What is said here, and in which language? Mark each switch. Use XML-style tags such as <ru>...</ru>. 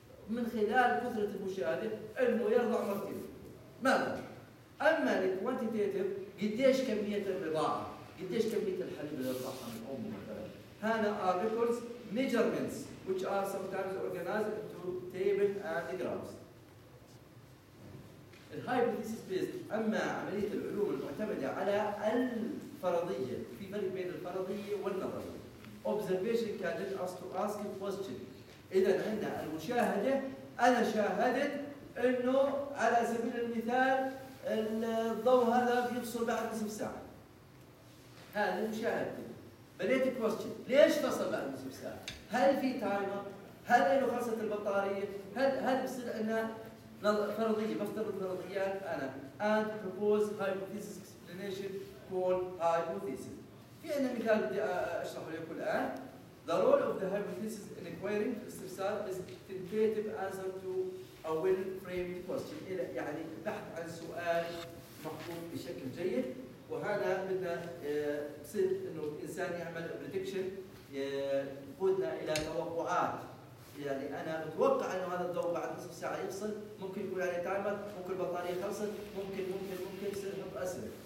<ar>من خلال كثره المشاهده انه يرضع مرتين ماذا؟ اما الكوانتيتيف قديش كميه الرضاعه؟ قديش كميه الحليب اللي يرضعها من امه مثلا؟ هنا ار ريكوردز ميجرمنتس</ar> <en>which are sometimes organized into tables and graphs.</en> <ar>الهايبوثيسيس بيست اما عمليه العلوم المعتمده على فرضية. في فرق بين الفرضية والنظرية.</ar> <en>Observation can let us to ask a question.</en> <ar>إذا عندنا المشاهدة، أنا شاهدت إنه على سبيل المثال الضوء هذا يفصل بعد نصف ساعة. هذا مشاهدة. بديت question، ليش فصل بعد نصف ساعة؟ هل في تايمر؟ هل إنه خلصت البطارية؟ هل بصير إنه فرضية؟ بفترض فرضيات أنا.</ar> <en>And propose hypothesis explanation called hypothesis.</en> <ar>في عندنا مثال بدي أشرح لكم الآن.</ar> <en>The role of the hypothesis in inquiring استفسار is tentative answer to a well-framed question.</en> <ar>إلى يعني بحث عن سؤال محفوظ بشكل جيد. وهذا بدنا بصير إنه الإنسان يعمل prediction يقودنا إلى توقعات. يعني أنا أتوقع إنه هذا الضوء بعد نصف ساعة يفصل، ممكن يكون عليه تايمر، ممكن البطارية خلصت، ممكن يصير أسرع.</ar>